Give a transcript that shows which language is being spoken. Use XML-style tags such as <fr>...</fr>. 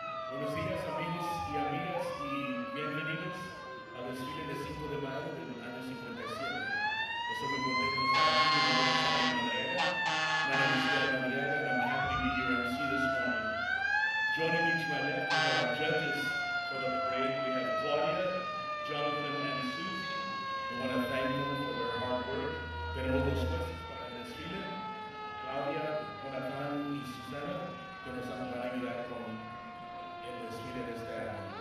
<es>Buenos días, amigos y amigas, y bienvenidos al desfile de Cinco de Mayo del año 57. Es un muy contento estar aquí con nuestra familia.</es> <en>My name is Dan Mariela, and I'm happy to be here and see this morning. Joining me to my left, we have our judges for the parade. We have Claudia, Jonathan, and Sue. I want to thank them for their hard work.</en> <es>Tenemos dos jueces para el desfile, Claudia, Jonathan y Susana, que nos van a ayudar con el desfile de este año.</es>